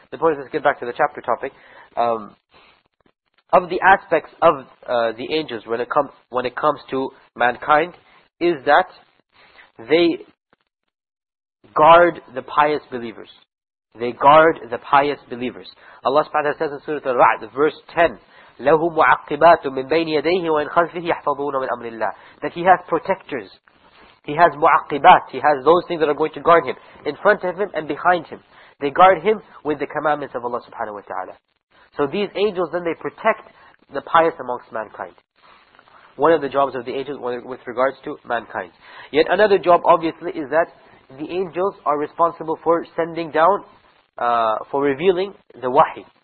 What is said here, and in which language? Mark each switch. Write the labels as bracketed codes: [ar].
[en] The point is, let's get back to the chapter topic. Of the aspects of the angels when it comes to mankind, is that they guard the pious believers. They guard the pious believers. Allah subhanahu wa ta'ala says in Surah Al-Ra'd, verse 10, [ar] لَهُمْ مُعَقِّبَاتٌ مِنْ بَيْنِ يَدَيْهِ وَإِنْ خَلْفِهِ يَحْفَظُونَ مِنْ أَمْرِ اللَّهِ. [en] That he has protectors. He has مُعَقِّبَاتٌ. He has those things that are going to guard him. In front of him and behind him. They guard him with the commandments of Allah subhanahu wa ta'ala. So these angels, then they protect the pious amongst mankind. One of the jobs of the angels with regards to mankind. Yet another job, obviously, is that the angels are responsible for sending down, for revealing the wahi.